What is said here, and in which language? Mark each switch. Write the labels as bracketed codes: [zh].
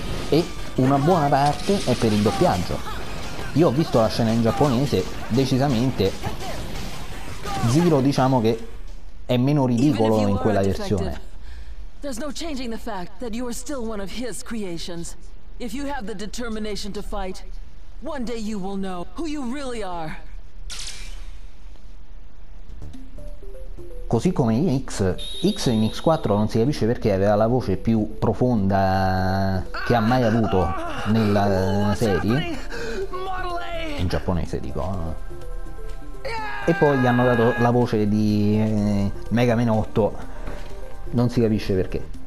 [it] E una buona parte è per il doppiaggio. Io ho visto la scena in giapponese, decisamente Zero, diciamo che è meno ridicolo in quella versione. [en] There's no changing the fact that you are still one of his creations. If you have the determination to fight, one day you will know who you really are. [it] Così come in X in X4 non si capisce perché aveva la voce più profonda che ha mai avuto nella serie. In giapponese dico. E poi gli hanno dato la voce di Mega Man 8. Non si capisce perché.